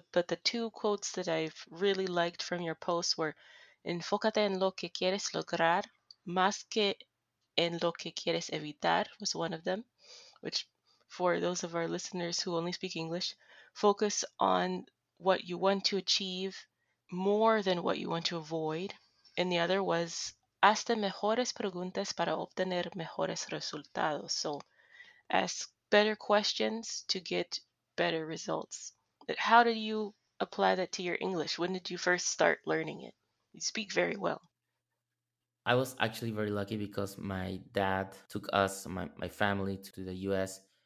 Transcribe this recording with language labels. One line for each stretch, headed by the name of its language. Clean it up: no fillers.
English: But the two quotes that I've really liked from your post were,
Spanish: "Enfócate en lo que quieres lograr más que en lo que quieres evitar,"
English: was one of them, which for those of our listeners who only speak English, focus on what you want to achieve more than what you want to avoid.
Spanish: And the other was, "Hazte mejores preguntas para obtener mejores resultados."
English: So ask better questions to get better results. But how did you apply that to your English? When did you first start learning it? You speak very well. I was actually very lucky because my dad took us, my family, to the U.S.